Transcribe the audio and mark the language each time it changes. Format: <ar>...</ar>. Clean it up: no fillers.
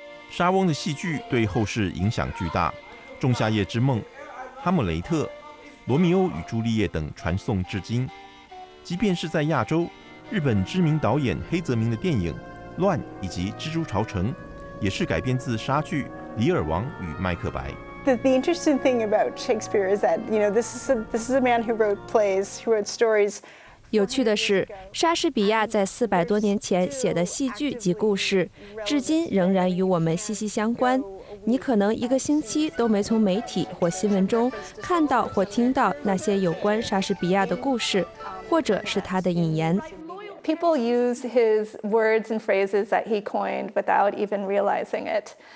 <zh>莎翁的戏剧对后世影响巨大，《仲夏夜之梦》、《哈姆雷特》、《罗密欧与朱丽叶》等传颂至今。即便是在亚洲，日本知名导演黑泽明的电影《乱》以及《蜘蛛巢城》也是改编自莎剧《李尔王与麦克白》。</zh> <en>The interesting thing about Shakespeare is that, you know, this is a man who wrote plays, who wrote stories.</en> <zh>有趣的是，莎士比亚在400多年前写的戏剧及故事，至今仍然与我们息息相关。你可能一个星期都没从媒体或新闻中看到或听到那些有关莎士比亚的故事，或者是他的引言。</zh> <en>People use his words and phrases that he coined without even realizing it.</en>